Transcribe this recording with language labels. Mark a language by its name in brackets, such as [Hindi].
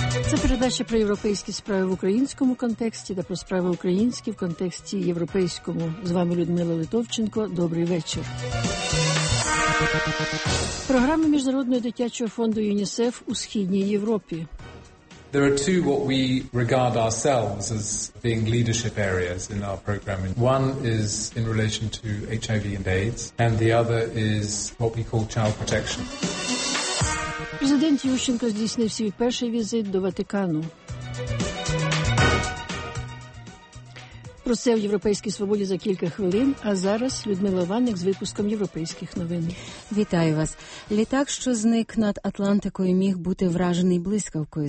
[Ukrainian] Це передача про європейські справи в українському контексті та про справи українські в контексті європейському. З вами Людмила Литовченко. Добрий вечір. Програма Міжнародного дитячого фонду ЮНІСЕФ у Східній Європі. [English] There are two what we regard ourselves as being leadership areas in our programming. One is in relation to HIV and AIDS, and the other is what we call child protection. [Ukrainian] Президент Ющенко здійснив свій перший візит до Ватикану. Про це в «Європейській свободі» за кілька хвилин, а зараз Людмила Ванник з випуском європейських новин. Вітаю вас. Літак, що зник над Атлантикою, міг бути вражений блискавкою.